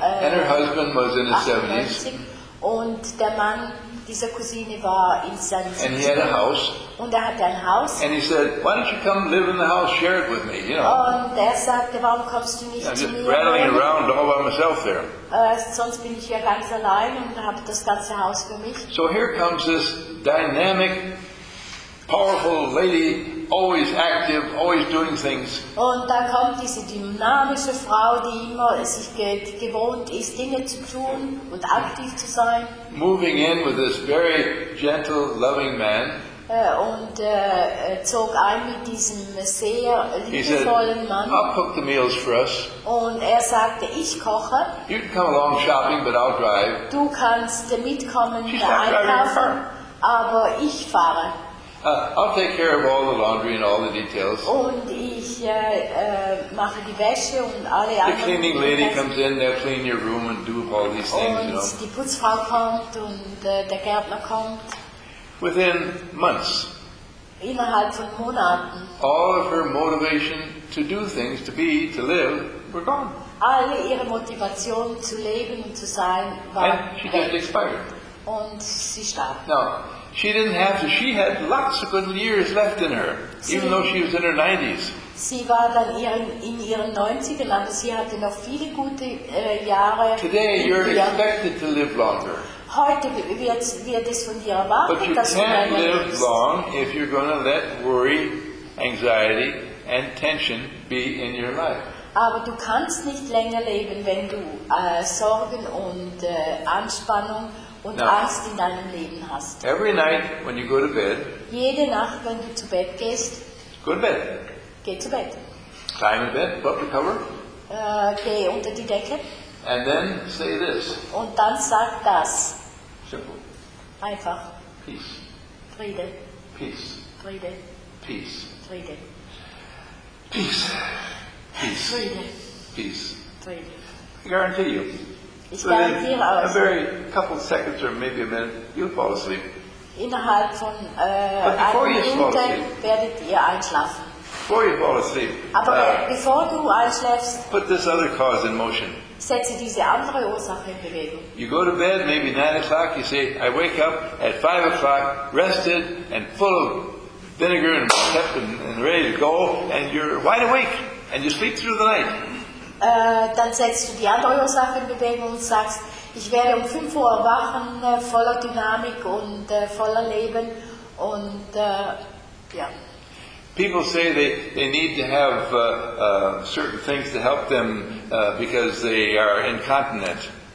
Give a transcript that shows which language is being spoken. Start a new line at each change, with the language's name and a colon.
English: And her husband was in his 78. 70s.
German: Und der Mann dieser Cousine war in San Francisco.
English: And he had a house.
German: Und er hatte ein Haus.
English: And he said, why don't you come live in the house, share it with me, you know.
German: Und er sagte, warum kommst du nicht zu mir?
English: I'm just rattling around all by myself there.
German: Sonst bin ich ja ganz allein und habe das ganze Haus für mich.
English: So here comes this dynamic, powerful lady, always active, always doing things.
German: Und da kommt diese dynamische Frau, die immer sich gewohnt ist, Dinge zu tun und aktiv zu sein.
English: Moving in with this very gentle, loving man.
German: Und zog ein mit diesem sehr liebevollen Mann.
English: He said, I'll cook the meals for us.
German: Und er sagte, ich koche.
English: You can come along shopping, but I'll drive.
German: Du kannst mitkommen, einkaufen, aber ich fahre.
English: I'll take care of all the laundry and all the details.
German: Und ich mache die Wäsche und alle anderen.
English: The cleaning lady comes in, they'll clean your room and do all these things.
German: Und
English: you know.
German: Die Putzfrau kommt und der Gärtner kommt.
English: Within months.
German: Innerhalb von Monaten.
English: All of her motivation to do things, to be, to live, were gone.
German: Alle ihre Motivation zu leben und zu sein war weg.
English: And she just expired.
German: Und sie starb.
English: Now, she didn't have to. She had lots of good years left in her, even though she was in her 90s.
German: Sie war dann in ihren 90ern, aber sie hatte noch viele gute Jahre.
English: Today you're expected to live longer.
German: Heute wird es von dir erwartet,
English: but you can't live long if you're going to let worry, anxiety, and tension be in your life.
German: Aber du kannst nicht länger leben, wenn du Sorgen und Anspannung und
English: now,
German: Angst in deinem Leben hast.
English: Every night when you go to bed,
German: jede Nacht, wenn du zu Bett gehst,
English: go to bed.
German: Geh zu Bett.
English: Climb in bed, put the cover.
German: Geh unter die Decke.
English: And then say this.
German: Und dann sag das.
English: Simple.
German: Einfach.
English: Peace.
German: Friede.
English: Peace.
German: Friede.
English: Peace.
German: Friede.
English: Peace. Peace.
German: Friede.
English: Peace.
German: Friede.
English: I guarantee you.
German: Ich garantiere euch.
English: A very couple of seconds or maybe a minute, you'll fall asleep.
German: Innerhalb von einer Minute werdet ihr einschlafen.
English: Before you fall asleep.
German: Aber bevor du einschläfst.
English: Put this other cause in motion.
German: Setze diese andere Ursache in Bewegung.
English: You go to bed maybe 9 o'clock. You say, I wake up at 5 o'clock, rested and full of vinegar and pep and ready to go, and you're wide awake and you sleep through the night.
German: Dann setzt du die andere Ursache in Bewegung und sagst, ich werde um 5 Uhr erwachen, voller Dynamik und voller Leben und ja.
English: People say they need to have certain things to help them because they are incontinent.